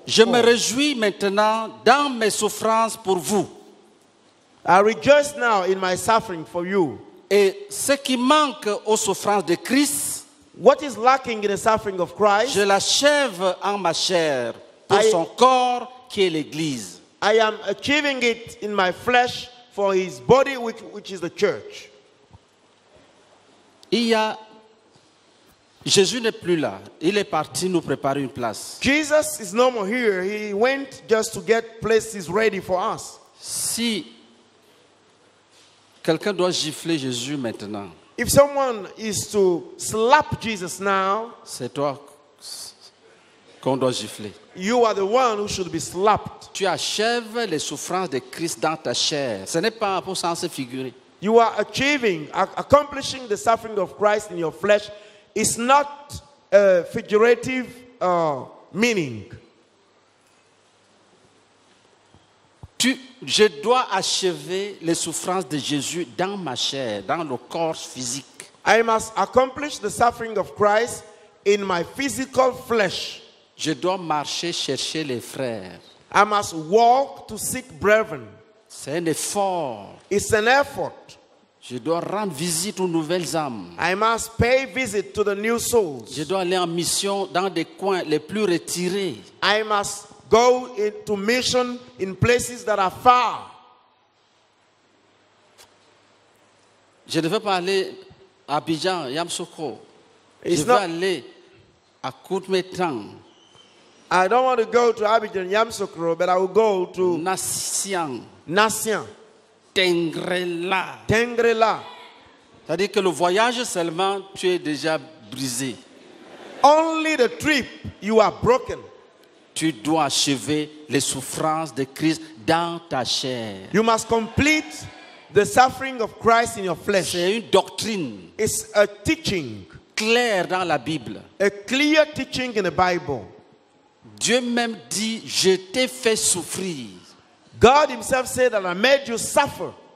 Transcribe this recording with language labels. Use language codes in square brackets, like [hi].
[fr] Je me réjouis maintenant dans mes souffrances pour vous. [en] I rejoice now in my suffering for you. [fr] Et ce qui manque aux souffrances de Christ, [en] what is lacking in the suffering of Christ? [fr] Je l'achève en ma chair pour son corps qui est l'Église. [en] I am achieving it in my flesh for his body, which is the church. [fr] Jésus n'est plus là. Il est parti nous préparer une place. [en] Jesus is no more here. He went just to get places ready for us. [fr] Si quelqu'un doit gifler Jésus maintenant. [en] If someone is to slap Jesus now, [fr] c'est toi qu'on doit gifler. [en] You are the one who should be slapped. [fr] Tu achèves les souffrances de Christ dans ta chair. Ce n'est pas pour sens figuré. [en] You are achieving, accomplishing the suffering of Christ in your flesh. It's not a figurative meaning. [fr] Je dois achever les souffrances de Jésus dans ma chair, dans le corps physique. [en] I must accomplish the suffering of Christ in my physical flesh. [fr] Je dois marcher chercher les frères. [en] I must walk to seek brethren. [fr] C'est un effort. [en] It's an effort. [fr] Je dois rendre visite aux nouvelles âmes. [en] I must pay visit to the new souls. [fr] Je dois aller en mission dans des coins les plus retirés. [en] I must go into mission in places that are far. [fr] Je ne veux pas aller à Abidjan, Yamoussoukro. [en] I don't want to go to Abidjan, Yamoussoukro, but I will go to Nassian. Tengrela. [fr] C'est-à-dire que le voyage seulement, tu es déjà brisé. [en] Only the trip, you are broken. [fr] Tu dois achever les souffrances de Christ dans ta chair. [en] You must complete the suffering of Christ in your flesh. [fr] C'est une doctrine. [en] It's a teaching. [fr] Clair dans la Bible. [en] A clear teaching in the Bible. [fr] Dieu même dit, je t'ai fait souffrir. [en] God himself said that I made you suffer.